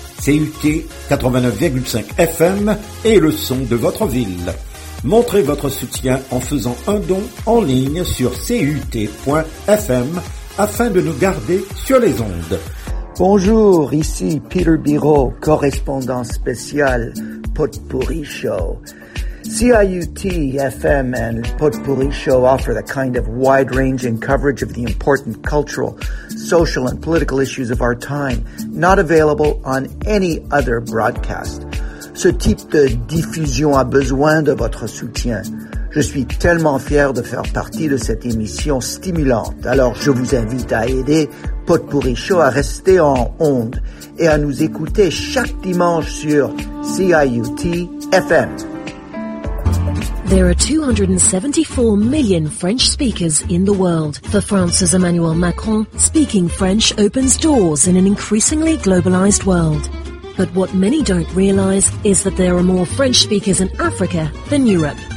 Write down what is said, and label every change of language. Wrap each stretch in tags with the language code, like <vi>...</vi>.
<fr>CUT 89,5 FM est le son de votre ville. Montrez votre soutien en faisant un don en ligne sur CUT.fm afin de nous garder sur les ondes. Bonjour, ici Peter Biro, correspondant spécial Potpourri Show.</fr> <en>CIUT FM and Potpourri Show offer the kind of wide-ranging coverage of the important cultural, social, and political issues of our time, not available on any other broadcast.</en> <fr>Ce type de diffusion a besoin de votre soutien. Je suis tellement fier de faire partie de cette émission stimulante. Alors, je vous invite à aider Potpourri Show à rester en onde et à nous écouter chaque dimanche sur CIUT FM.</fr> <en>There are 274 million French speakers in the world. For France's Emmanuel Macron, speaking French opens doors in an increasingly globalized world. But what many don't realize is that there are more French speakers in Africa than Europe.</en>